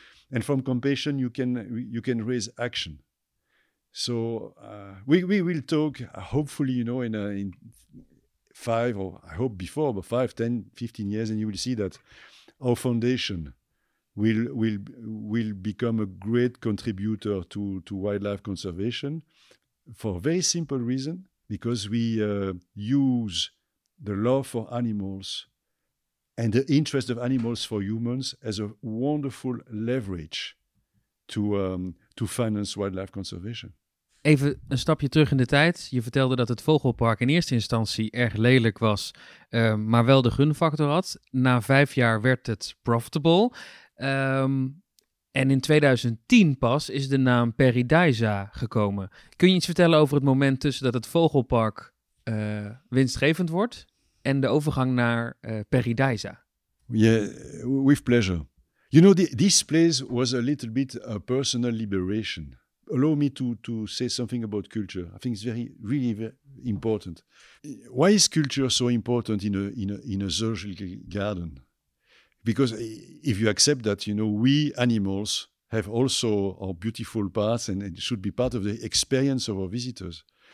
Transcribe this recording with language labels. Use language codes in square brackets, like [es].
[en] And from compassion, you can raise action. So we will talk, hopefully, you know, in 5 or I hope before, but 5, 10, 15 years, and you will see that our foundation will become a great contributor to wildlife conservation for a very simple reason, because we use the love for animals and the interest of animals for humans as a wonderful leverage to finance wildlife conservation. [nl] Even een stapje terug in de tijd. Je vertelde dat het vogelpark in eerste instantie erg lelijk was, maar wel de gunfactor had. Na 5 jaar werd het profitable. En in 2010 pas is de naam Paradisa gekomen. Kun je iets vertellen over het moment tussen dat het vogelpark winstgevend wordt en de overgang naar Peridaisa. [en] Yeah, with pleasure. You know, this place was a little bit a personal liberation. Allow me to say something about culture. I think it's very important. Why is culture so important in a zoological garden? Because if you accept that, you know, we animals have also our beautiful parts and it should be part of the experience of our visitors.